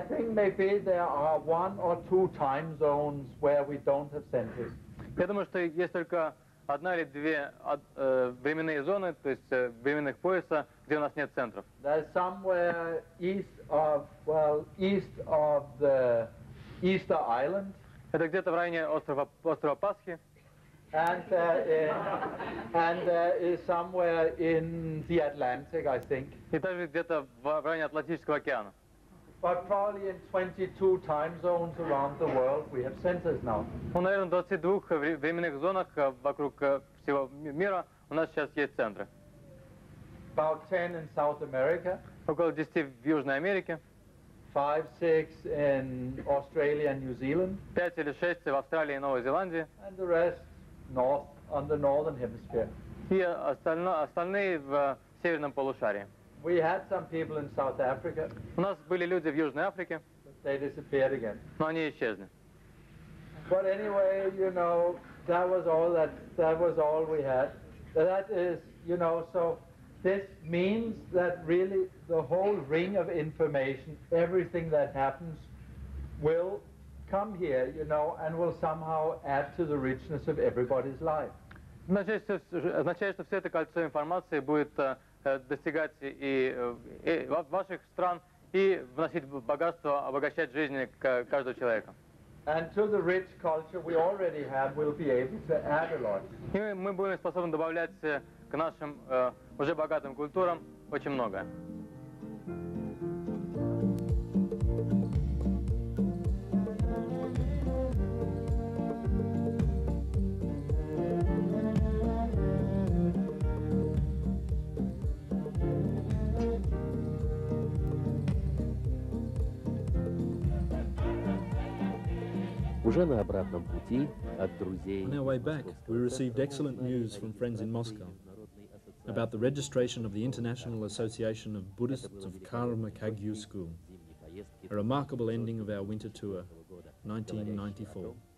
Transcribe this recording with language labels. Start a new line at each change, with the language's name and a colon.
English: think maybe there are one or two time zones where we don't have centers.
Russian: Я думаю, что есть только одна или две временные зоны, то есть временных пояса, где у нас нет центров.
English: There's somewhere east of, well, east of the Easter Island.
Russian: Это где-то в районе острова Пасхи.
English: And there is somewhere in the Atlantic, I think.
Russian: И также где-то в районе Атлантического океана.
English: But probably in 22 time zones around the world, we have centers now.
Russian: Well, наверное, в 22 временных зонах вокруг всего мира у нас сейчас есть центры.
English: About 10 in South America.
Russian: Около 10 в Южной Америке.
English: 5-6 in Australia and New Zealand.
Russian: 5 или 6 в Австралии и Новой Зеландии.
English: And the rest north on the northern hemisphere.
Russian: И остальные в северном полушарии.
English: We had some people in South Africa.
Russian: У нас были люди в Южной Африке.
English: But they disappeared again.
Russian: Но они исчезли.
English: But anyway, you know, that was all we had. That is, you know, so this means that really the whole ring of information, everything that happens, will come here, you know, and will somehow add to the richness of everybody's life.
Russian: Означает, что все это кольцо информации будет достигать и ваших стран и вносить богатство, обогащать жизни каждого человека.
English: And to the rich culture we already have, we'll be able to add a lot.
Russian: И мы будем способны добавлять к нашим уже богатым культурам очень много. Уже на обратном пути от друзей.
English: On our way back, we received excellent news from friends in Moscow about the registration of the International Association of Buddhists of Karma Kagyu School. A remarkable ending of our winter tour, 1994.